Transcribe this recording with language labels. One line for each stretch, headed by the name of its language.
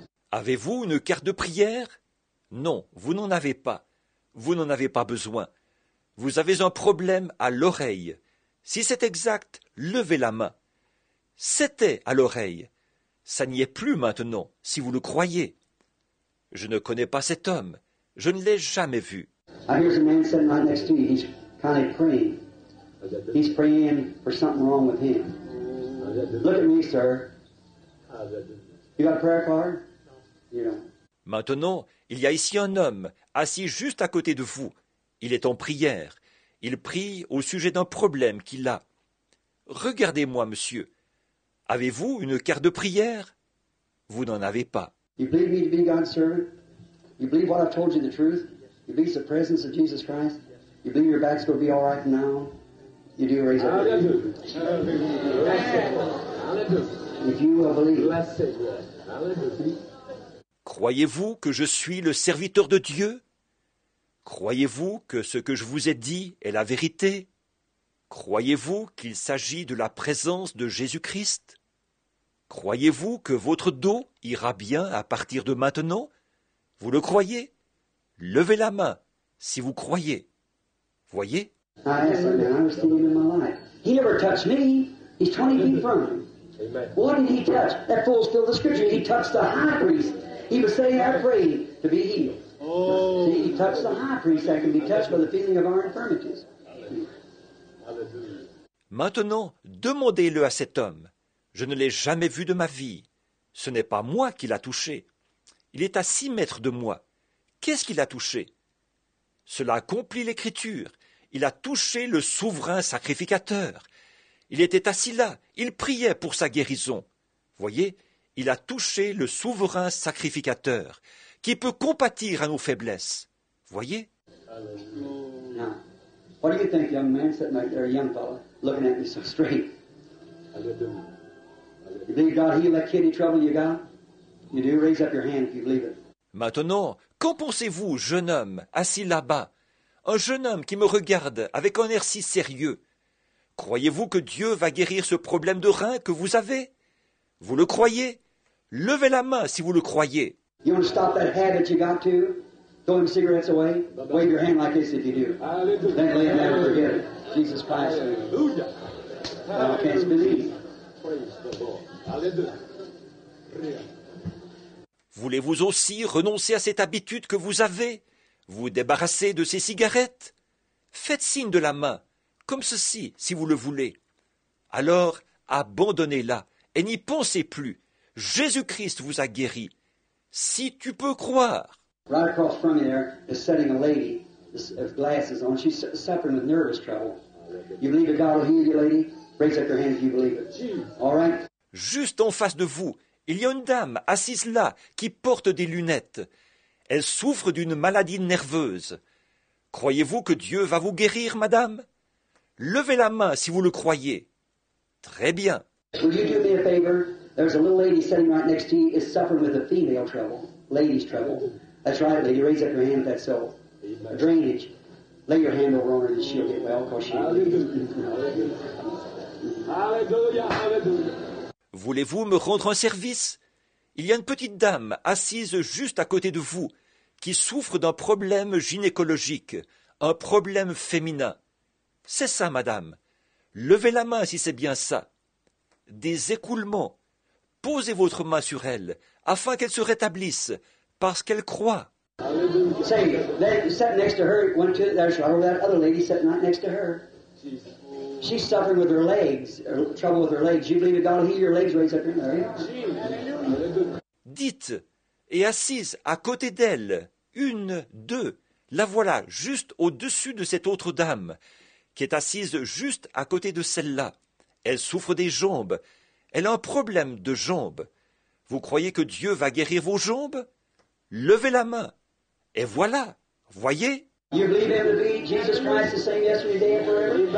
French: Avez-vous une carte de prière? Non, vous n'en avez pas. Vous n'en avez pas besoin. Vous avez un problème à l'oreille. Si c'est exact, levez la main. C'était à l'oreille. Ça n'y est plus maintenant, si vous le croyez. Je ne connais pas cet homme. Je ne l'ai jamais vu.
English: I hear a man sitting right next to you. He's kind of praying. He's praying for something wrong with him. Look at me, sir. You got a prayer card?
French: Maintenant, il y a ici un homme assis juste à côté de vous. Il est en prière. Il prie au sujet d'un problème qu'il a. Regardez-moi, monsieur. Avez-vous une carte de prière? Vous n'en avez pas.
English: You believe me to be God's servant? You believe what I've told you the truth? You believe the presence of Jesus Christ? You believe your back's going to be all right now? You do raise up. If you believe.
French: Croyez-vous que je suis le serviteur de Dieu? Croyez-vous que ce que je vous ai dit est la vérité? Croyez-vous qu'il s'agit de la présence de Jésus-Christ? Croyez-vous que votre dos ira bien à partir de maintenant? Vous le croyez? Levez la main si vous croyez. Voyez?
English: I asked him, I never seen him in my life. He never touched me. He's 20 feet from me. What did he touch? That fulfilled the scripture. He touched the high priest. He was saying, I prayed to be healed. Oh. See, he touched the high priest that can be touched by the feeling of our infirmities.
French: Maintenant, demandez-le à cet homme. Je ne l'ai jamais vu de ma vie. Ce n'est pas moi qui l'a touché. Il est à 6 mètres de moi. Qu'est-ce qu'il a touché? Cela accomplit l'écriture. Il a touché le souverain sacrificateur. Il était assis là. Il priait pour sa guérison. Voyez, il a touché le souverain sacrificateur qui peut compatir à nos faiblesses. Voyez.
English: Now, what do you think, young man, sitting right there, young fellow, looking at me so straight? You believe God healed that kidney trouble you got? You do? Raise up your hand if you believe it.
French: Maintenant, qu'en pensez-vous, jeune homme, assis là-bas? Un jeune homme qui me regarde avec un air si sérieux. Croyez-vous que Dieu va guérir ce problème de rein que vous avez? Vous le croyez? Levez la main si vous le croyez.
English: You want to stop that habit you got to? throwing cigarettes away? Wave your hand like this if you do. Then leave and never forget it. Jesus Christ. Well, I can't believe.
French: Voulez-vous aussi renoncer à cette habitude que vous avez? Vous débarrasser de ces cigarettes? Faites signe de la main, comme ceci, si vous le voulez. Alors, abandonnez-la et n'y pensez plus. Jésus-Christ vous a guéri. Si tu peux croire.
English: Right across from me there is sitting a lady with glasses on. She's suffering with nervous trouble. You believe that God will heal you, lady? Raise up your hand if you believe it. All right?
French: Juste en face de vous, il y a une dame assise là qui porte des lunettes. Elle souffre d'une maladie nerveuse. Croyez-vous que Dieu va vous guérir, madame? Levez la main si vous le croyez. Très bien.
English: Will you do me a favor? There's a little lady sitting right next to you is suffering with a female trouble. Lady's trouble. That's right, lady. Raise up your hand if that's so. A drainage. Lay your hand over on her and she'll get well, because she'll be. Hallelujah. Hallelujah.
French: Voulez-vous me rendre un service? Il y a une petite dame assise juste à côté de vous qui souffre d'un problème gynécologique, un problème féminin. C'est ça, madame. Levez la main si c'est bien ça. Des écoulements. Posez votre main sur elle afin qu'elle se rétablisse parce qu'elle croit.
English: Say, sat next to her, one, two, there's that other lady sitting right next to her. She's suffering with her legs, trouble with her legs. You believe that God will heal your legs, raise up your hand.
French: Dites, et assise à côté d'elle, une, deux, la voilà juste au-dessus de cette autre dame, qui est assise juste à côté de celle-là. Elle souffre des jambes. Elle a un problème de jambes. Vous croyez que Dieu va guérir vos jambes? Levez la main. Et voilà, voyez.
English: You believe him to be Jesus Christ, the same yesterday and forever?